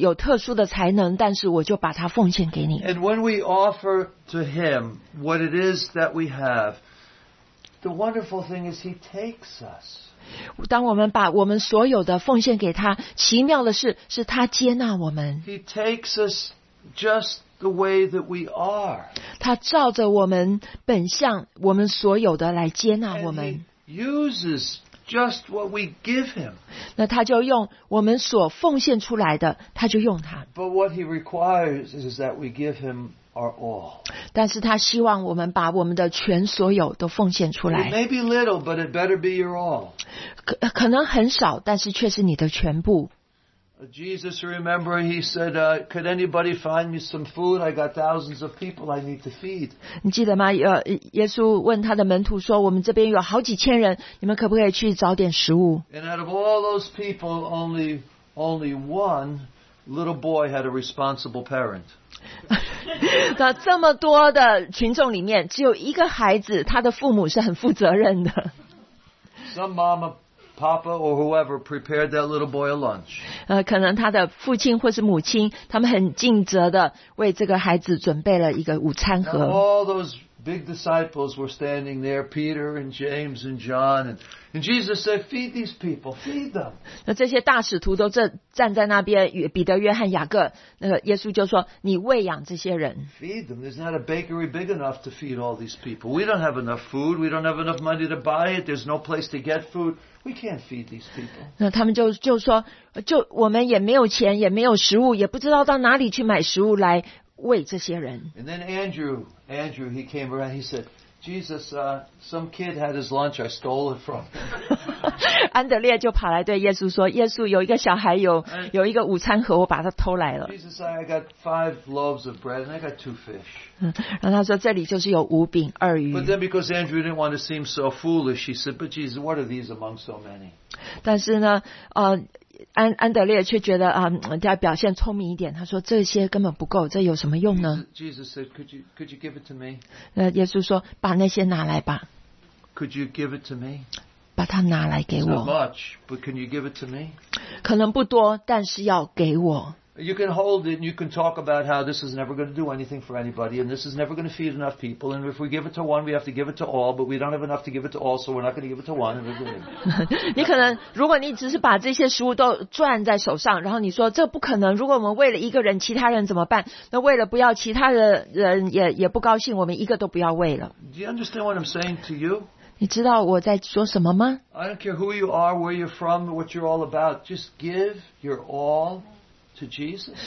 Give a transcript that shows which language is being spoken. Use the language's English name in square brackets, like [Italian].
[Chinese] 我这块泥土可能也不是很特别，也不是有特殊的才能，但是我就把它奉献给你。 [English] And when we offer to Him what it is that we have, the wonderful thing is He takes us. [Chinese] 当我们把我们所有的奉献给他，奇妙的是，是他接纳我们。 [English] He takes us just the way that we are. [Chinese] 他照着我们本相, 我们所有的来接纳我们。 [English] And he uses just what we give him. [Chinese] 那他就用我们所奉献出来的, 他就用他。 [English] But what he requires is that we give him our all. [Chinese] 但是他希望我们把我们的全所有都奉献出来。 [English] It may be little, but it better be your all. [Chinese] 可能很少, 但是却是你的全部。 [English] Jesus, remember, he said, could anybody find me some food? I got thousands of people I need to feed. [Chinese] 你记得吗? 耶稣问他的门徒说, 我们这边有好几千人, 你们可不可以去找点食物? [English] And out of all those people, only one little boy had a responsible parent. [Chinese] 那这么多的群众里面, 只有一个孩子, 他的父母是很负责任的。 [English] Some mama, Papa or whoever prepared that little boy a lunch. [Chinese] 可能他的父亲或是母亲, 他们很尽责地为这个孩子准备了一个午餐盒。 [English] And all those big disciples were standing there, Peter and James and John, and Jesus said, feed these people, feed them. [Chinese] 那这些大使徒都站在那边, 彼得、约翰、雅各, 耶稣就说, 你喂养这些人。 [English] Feed them. There's not a bakery big enough to feed all these people. We don't have enough food. We don't have enough money to buy it. There's no place to get food. We can't feed these people. [Chinese] 那他们就说, 我们也没有钱, 也没有食物, 也不知道到哪里去买食物来, [English] And then Andrew, he came around. He said, "Jesus, some kid had his lunch. I stole it from him." [Chinese] 安德烈就跑来对耶稣说：“耶稣，有一个小孩有一个午餐盒，我把它偷来了。” [English] Jesus, I got 5 loaves of bread and I got 2 fish. [Chinese] 然后他说：“这里就是有5饼2鱼。” [English] But then, because Andrew didn't want to seem so foolish, he said, "But Jesus, what are these among so many?" [Chinese] 但是呢，安德烈却觉得 要表现聪明一点, 他说这些根本不够, 这有什么用呢? [English] Jesus said, could you give it to me? [Chinese] 耶稣说, 把那些拿来吧。 [English] Could you give it to me? [Chinese] 把它拿来给我。 [English] It's not much, but can you give it to me? [Chinese] 可能不多, 但是要给我。 [English] You can hold it and you can talk about how this is never going to do anything for anybody and this is never going to feed enough people and if we give it to one, we have to give it to all but we don't have enough to give it to all so we're not going to give it to one. And we're going to... [Chinese] 你可能, 如果你只是把这些食物都攥在手上, 然后你说这不可能, 如果我们为了一个人, 其他人怎么办? 那为了不要其他人也不高兴, 我们一个都不要为了。 [English] Do you understand what I'm saying to you? [Chinese] 你知道我在说什么吗? [English] I don't care who you are, where you're from, what you're all about. Just give your all. To Jesus.